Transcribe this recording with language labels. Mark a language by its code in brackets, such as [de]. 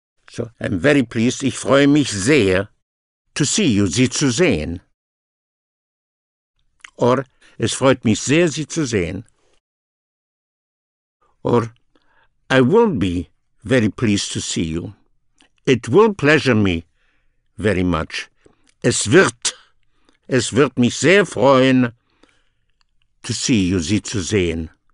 [en] So I'm very pleased, [de] ich freue mich sehr, [en] to see you, [de] Sie zu sehen. [en] Or, [de] es freut mich sehr, Sie zu sehen. [en] Or, I will be very pleased to see you. It will pleasure me very much. [de] Es wird mich sehr freuen, [en] to see you, [de] Sie zu sehen.